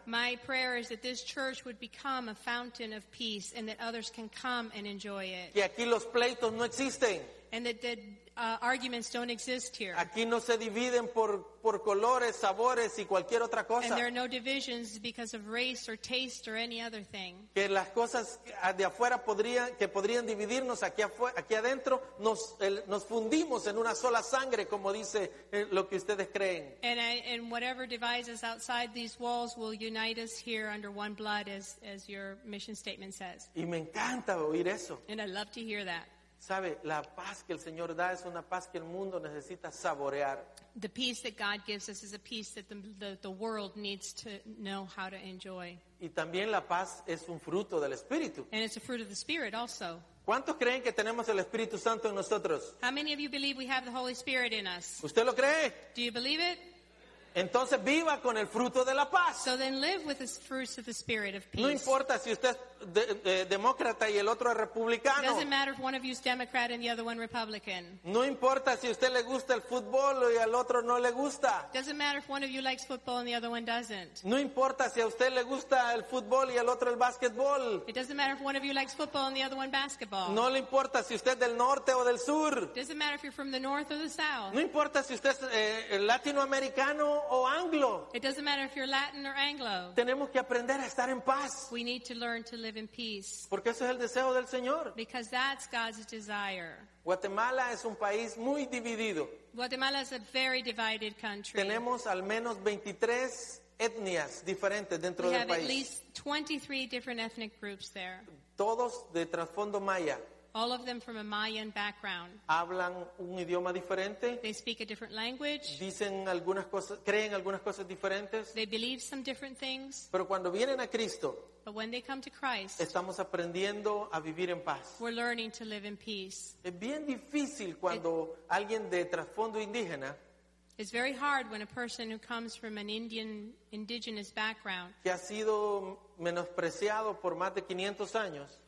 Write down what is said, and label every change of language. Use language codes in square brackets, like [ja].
[en] My prayer is that this church would become a fountain of peace and that others can come and enjoy it. [es] Y aquí los pleitos no existen. [en] And that the arguments don't exist here. [es] Aquí no se dividen por colores, sabores y cualquier otra cosa. [en] And there are no divisions because of race or taste or any other thing. [es] Que las cosas de afuera podrían dividirnos aquí adentro, nos fundimos en una sola sangre, como dice lo que ustedes creen. [en] And whatever divides us outside these walls will unite us here under one blood, as your mission statement says. [es] Y me encanta oír eso. [en] And I love to hear that. [es] Sabe, la paz que el Señor da es una paz que el mundo necesita saborear. [en] The peace that God gives us is a peace that the world needs to know how to enjoy. [es] Y también la paz es un fruto del Espíritu. [en] And it's a fruit of the Spirit also. [es] ¿Cuántos creen que tenemos el Espíritu Santo en nosotros? [en] How many of you believe we have the Holy Spirit in us? [es] ¿Usted lo cree? [en] Do you believe it? [es] Entonces viva con el fruto de la paz. [en] So then live with the fruits of the Spirit of peace. [es] No importa si usted demócrata y el otro es republicano. [en] It doesn't matter if one of you is Democrat and the other one Republican. [es] No importa si usted le gusta el fútbol y al otro no le gusta. [en] Doesn't matter if one of you likes football and the other one doesn't. [es] No importa si a usted le gusta el fútbol y al otro el básquetbol. [en] It doesn't matter if one of you likes football and the other one basketball. [es] No le importa si usted es del norte o del sur. [en] Doesn't matter if you're from the north or the south. [es] No importa si usted es latinoamericano o anglo. [en] It doesn't matter if you're Latin or Anglo. [es] Tenemos que aprender a estar en paz. [en] We need to learn to live in peace. [es] Porque eso es el deseo del Señor. [en] Because that's God's desire. [es] Guatemala es un país muy dividido. [en] Guatemala is a very divided country. [es] Tenemos al menos 23 etnias diferentes dentro del país. [en] We have at least 23 different ethnic groups there. [es] Todos de trasfondo maya. [en] All of them from a Mayan background. [es] Hablan un idioma diferente. [en] They speak a different language. [es] Dicen algunas cosas, creen algunas cosas diferentes. [en] They believe some different things. [es] Pero cuando vienen a Cristo, [en] but when they come to Christ, [es] estamos aprendiendo a vivir en paz. [en] We're learning to live in peace. [es] Es bien difícil cuando alguien de trasfondo indígena. [en] It's very hard when a person who comes from an indigenous background, [es] que ha sido menospreciado por más de 500 años,